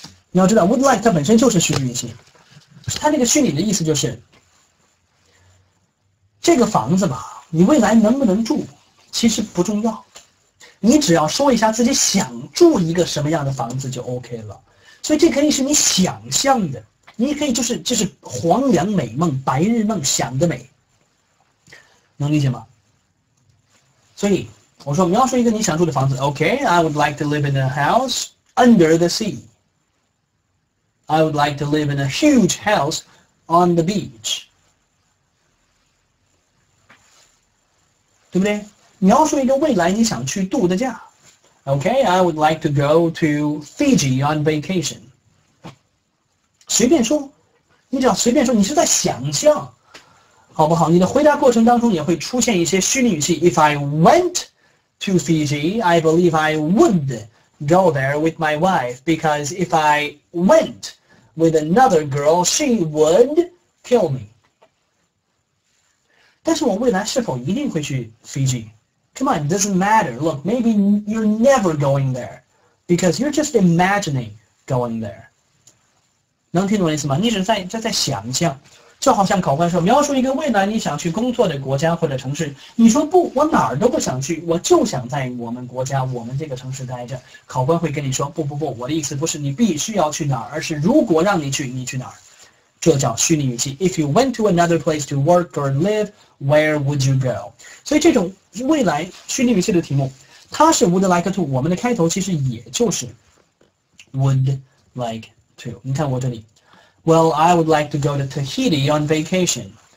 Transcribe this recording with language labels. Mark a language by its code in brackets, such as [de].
[zh] 你要知道 would like 它本身就是虚拟语气，它那个虚拟的意思就是这个房子吧，你未来能不能住其实不重要，你只要说一下自己想住一个什么样的房子就 OK 了。所以这可以是你想象的，你可以就是黄粱美梦白日梦，想得美，能理解吗？所以我说描述一个你想住的房子。 [en] OK, I would like to live in a house under the sea. I would like to live in a huge house on the beach. [zh] 对不对？描述一个未来你想去度的假。 [en] OK, I would like to go to Fiji on vacation. [zh] 随便说，你只要随便说，你是在想象，好不好？你的回答过程当中也会出现一些虚拟语气。 [en] If I wentTo Fiji, I believe I would go there with my wife because if I went with another girl, she would kill me. [zh] 但是我未来是否一定会去 Fiji? [en] Come on, it doesn't matter. Look, maybe you're never going there because you're just imagining going there. [zh] 能听懂我意思吗？你只是在想象。就好像考官说，描述一个未来你想去工作的国家或者城市，你说不，我哪儿都不想去，我就想在我们国家我们这个城市待着，考官会跟你说不不不，我的意思不是你必须要去哪儿，而是如果让你去你去哪儿，这叫虚拟语气。 [en] If you went to another place to work or live, where would you go? [zh] 所以这种未来虚拟语气的题目，它是 would like to， 我们的开头其实也就是 would like to。你看我这里， [en] Well, I would like to go to Tahiti on vacation.